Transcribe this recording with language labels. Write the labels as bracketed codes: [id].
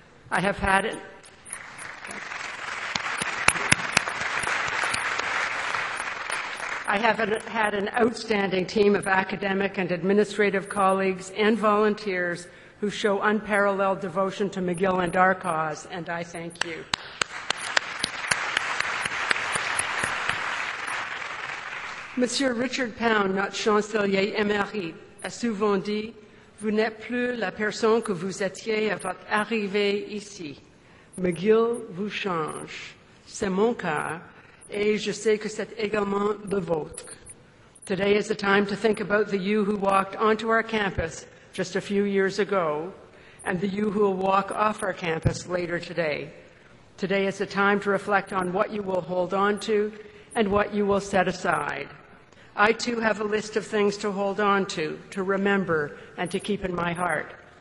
[en] I have had an outstanding team of academic and administrative colleagues and volunteers who show unparalleled devotion to McGill and our cause, and I thank you. [fr] Monsieur Richard Pound, notre chancelier émérite, a souvent dit, vous n'êtes plus la personne que vous étiez à votre arrivée ici. McGill vous change. C'est mon cas, et je sais que c'est également le vôtre. [en] Today is the time to think about the you who walked onto our campus just a few years ago, and the you who will walk off our campus later today. Today is a time to reflect on what you will hold on to and what you will set aside. I too have a list of things to hold on to remember, and to keep in my heart.